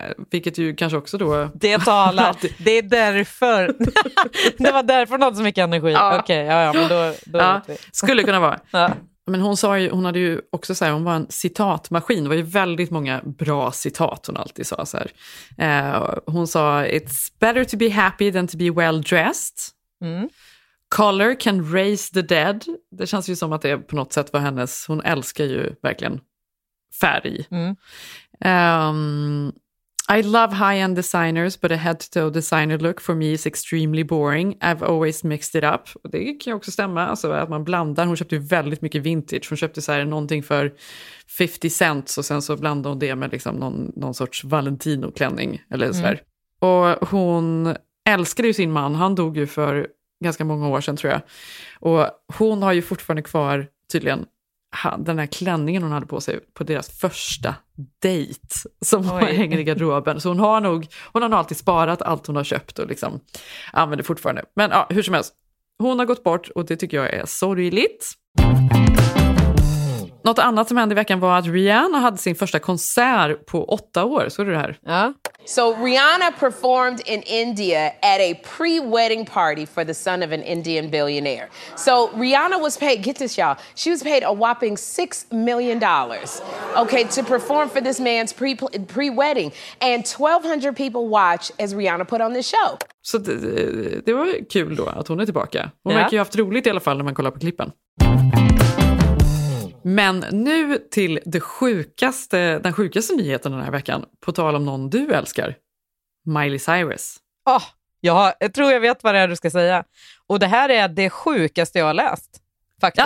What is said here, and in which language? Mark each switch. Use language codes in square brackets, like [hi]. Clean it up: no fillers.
[sv] Vilket ju kanske också då... Det talar. Det är därför. Det var därför något så mycket energi. Ja. Okej, okay, ja, men då skulle kunna vara. Ja. Men hon sa ju, hon hade ju också så här, hon var en citatmaskin. Det var ju väldigt många bra citat hon alltid sa så här. Hon sa, [en] it's better to be happy than to be well dressed. Mm. Color can raise the dead. [sv] Det känns ju som att det på något sätt var hennes, hon älskar ju verkligen färg. Mm. [en] I love high-end designers, but a head-to-toe designer look for me is extremely boring. I've always mixed it up. [sv] Och det kan ju också stämma, alltså, att man blandar. Hon köpte ju väldigt mycket vintage. Hon köpte så här någonting för 50 cents och sen så blandade hon det med liksom någon sorts Valentino-klänning. Eller så här. Mm. Och hon älskade ju sin man. Han dog ju för ganska många år sedan, tror jag. Och hon har ju fortfarande kvar, tydligen, den här klänningen hon hade på sig på deras första date som hänger i garderoben. Så hon har alltid sparat allt hon har köpt och liksom använder fortfarande. Men ja, hur som helst, hon har gått bort och det tycker jag är sorgligt. Något annat som hände i veckan var att Rihanna hade sin första konsert på 8 år. Såg du det här? Ja. [en] So Rihanna performed in India at a pre-wedding party for the son of an Indian billionaire. So Rihanna was paid, get this y'all, she was paid a whopping $6 million, okay, to perform for this man's pre-wedding. And 1200 people watched as Rihanna put on this show. [sv] Så det var kul då att hon är tillbaka. Hon verkar ju haft roligt i alla fall när man kollar på klippen. Men nu till den sjukaste nyheten den här veckan, på tal om någon du älskar, Miley Cyrus. Oh, ja, jag tror jag vet vad det är du ska säga. Och det här är det sjukaste jag har läst, faktiskt.